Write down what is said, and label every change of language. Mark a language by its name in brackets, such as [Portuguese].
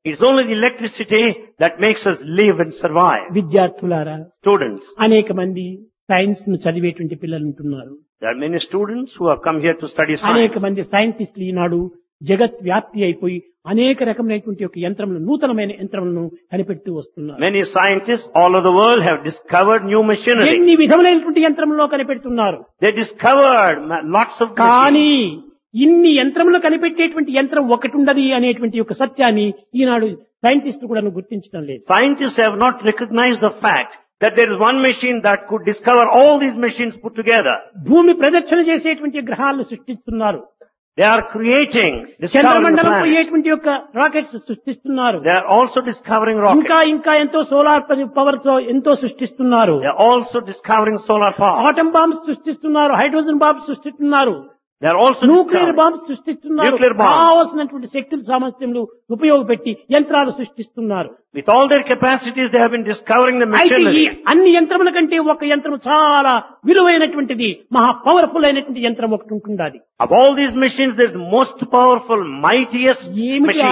[English] It's only the electricity that makes us live and survive. [Telugu] విద్యార్థులారా, [English] students, [Telugu] అనేక మంది science ను చదివేటువంటి పిల్లలు ఉంటున్నారు. [English] There are many students who have come here to study science. [Telugu] అనేక మంది సైంటిస్టులు ఈనాడు జగత్ వ్యాప్తి అయిపోయి అనేక రకమైనటువంటి ఒక యంత్రములు నూతనమైన యంత్రములను కనిపెడుతూ వస్తున్నారు. [English] Many scientists all over the world have discovered new machinery. [Telugu] ఎన్ని విధములైనటువంటి యంత్రములు కనిపెడుతున్నారు. [English] They discovered lots of [Telugu] కానీ ఇన్ని యంత్రములు కనిపెట్టేటువంటి యంత్రం ఒకటి ఉండదు అనేటువంటి ఒక సత్యాన్ని ఈనాడు సైంటిస్ట్ కూడా గుర్తించడం లేదు. [English] Scientists have not recognized the fact that there is one machine that could discover all these machines put together. [Telugu] భూమి ప్రదక్షిణ చేసేటువంటి గ్రహాలను సృష్టిస్తున్నారు. [English] They are creating [Telugu] rockets సృష్టిస్తున్నారు. [English] They are also discovering rockets. [Telugu] ఇంకా ఎంతో సోలార్ పవర్ తో ఎంతో సృష్టిస్తున్నారు. [English] They are also discovering solar power. [Telugu] Atom bombs సృష్టిస్తున్నారు. హైడ్రోజన్ బాంబ్స్ సృష్టిస్తున్నారు. [English] They are also [Telugu] nuclear bombs సృష్టిస్తున్నారు. [English] nuclear bombs [Telugu] కావాల్సినటువంటి శక్తులు సామర్థ్యములు ఉపయోగపెట్టి యంత్రాలు సృష్టిస్తున్నారు. [English] With all their capacities they have been discovering the machinery. [Telugu] అన్ని యంత్రముల కంటే ఒక యంత్రం చాలా విలువైనటువంటిది, మహా పవర్ఫుల్ అయినటువంటి యంత్రం ఒకటి ఉంటుంది. [English] Of all these machines, there is most powerful, mightiest machine.